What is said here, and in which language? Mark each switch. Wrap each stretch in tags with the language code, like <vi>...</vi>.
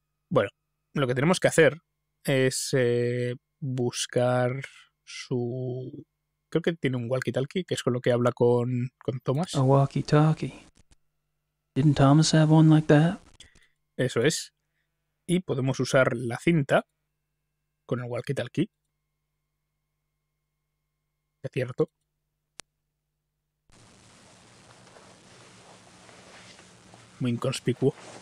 <es>Bueno. Lo que tenemos que hacer es buscar su... Creo que tiene un walkie-talkie, que es con lo que habla con Thomas.</es> <en>A walkie-talkie. Didn't Thomas have one like that?</en> <es>Eso es. Y podemos usar la cinta con el walkie-talkie. Es cierto. Muy inconspicuo.</es>